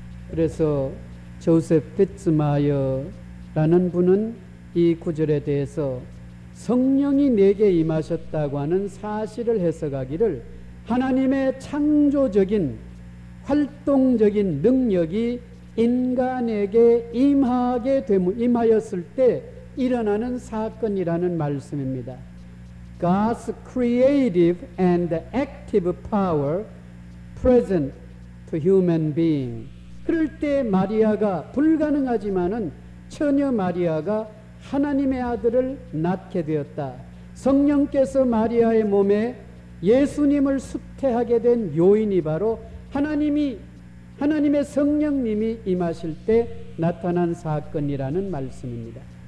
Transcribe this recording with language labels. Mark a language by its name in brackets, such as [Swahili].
[Korean] 그래서 조셉 피츠마이어라는 분은 이 구절에 대해서 성령이 내게 임하셨다고 하는 사실을 해석하기를 하나님의 창조적인 활동적인 능력이 인간에게 임하게 임하였을 때 일어나는 사건이라는 말씀입니다. [English] God's creative and active power present to human being. [Korean] 그럴 때 마리아가 불가능하지만은 처녀 마리아가 하나님의 아들을 낳게 되었다. 성령께서 마리아의 몸에 예수님을 수태하게 된 요인이 바로 하나님의 성령님이 임하실 때 나타난 사건이라는 말씀입니다.